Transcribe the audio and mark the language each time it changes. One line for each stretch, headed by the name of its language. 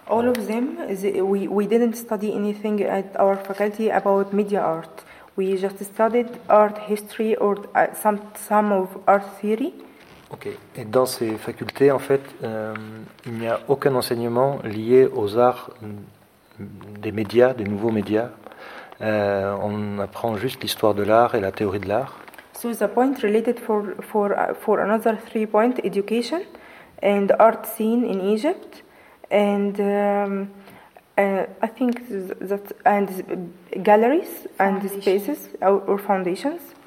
English: All of them, we didn't study anything at our faculty about media art. We just studied art history or some of art theory.
French: Ok, et dans ces facultés, en fait, il n'y a aucun enseignement lié aux arts des médias, des nouveaux médias. On apprend juste l'histoire de l'art et la théorie de l'art.
English: So the point related for another three point, education and art scene in Egypt, and I think that and galleries and spaces or foundations.